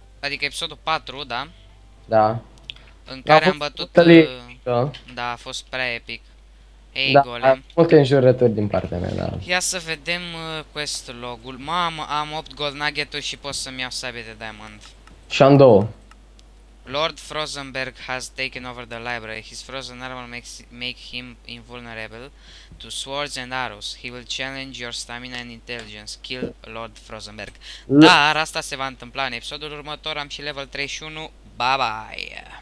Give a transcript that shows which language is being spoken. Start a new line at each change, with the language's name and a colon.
Romanian: Adică episodul 4, da. Da. În care am bătut da, a fost prea epic. Ei, da, golem. Multe înjurături din partea mea, da. Ia să vedem quest logul. Mamă, am 8 gold nugget-uri și pot să-mi iau sabie de diamond. Și am 2.
English: Lord Frozenberg has taken over the library. His frozen armor make him invulnerable to swords and arrows. He will challenge your stamina and intelligence. Kill Lord Frozenberg.
Romanian: Dar asta se va întâmpla în episodul următor. Am și level 31.
English: Bye bye.